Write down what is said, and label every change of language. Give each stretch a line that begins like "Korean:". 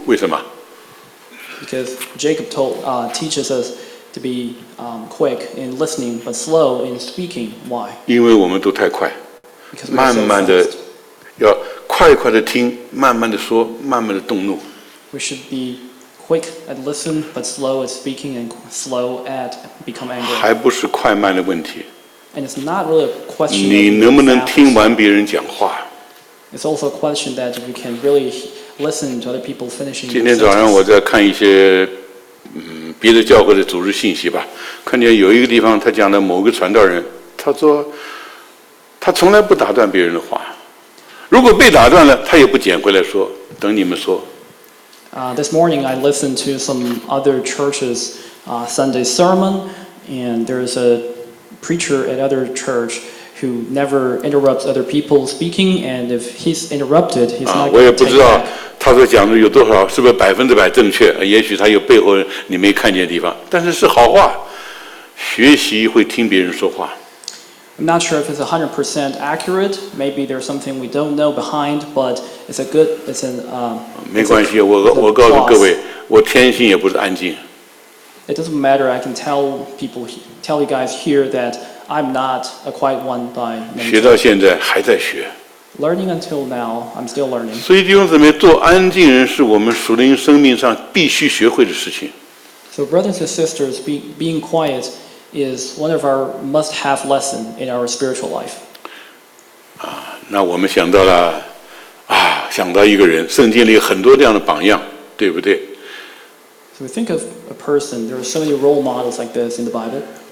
Chinese: 为什么？
English: Because Jacob teaches us to be quick in listening but slow in speaking. Why?
Chinese: 因为我们都太快，慢慢的，要快快的听，慢慢的说，慢慢的动怒。
English: We should be quick at listen but slow at speaking and slow at become angry.
Chinese: 还不是快慢的问题。
English: And it's not really a question.
Chinese: 你能不能听完别人讲话？
English: It's also a question that we can really listen to other people finishing.
Chinese: 今天早上我在看一些。别的教会的组织信息吧，看见有一个地方他讲的某个传道人，他说他从来不打断别人的话，如果被打断了他也不捡回来说，等你们说。
English: This morning I listened to some other church's Sunday sermon, and there's a preacher at other church who never interrupts other people speaking, and if he's interrupted, he's not going to take back.
Chinese: 我也不知道他所讲的有多少是不是百分之百正确，也许他有背后你没看见的地方，但是是好话，学习会听别人说话。
English: I'm not sure if it's 100% accurate. Maybe there's something we don't know behind, but it's a good, it's an,
Chinese: 没关系, 我告诉各位, 我天性也不是安静。
English: It doesn't matter. I can tell people, tell you guys here that I'm not a quiet one by nature.
Chinese: 学到现在还在学。
English: Learning until now, I'm still learning.
Chinese: 所以弟兄姊妹, 做安静人是我们属灵生命上必须学会的事情。
English: So brothers and sisters, being quiet is one of our must-have lessons in our spiritual life.
Chinese: 啊, 那我们想到了, 啊, 想到一个人, 圣经里很多这样的榜样, 对不对?
English: So we think of a person, there are so many role models like this in the Bible.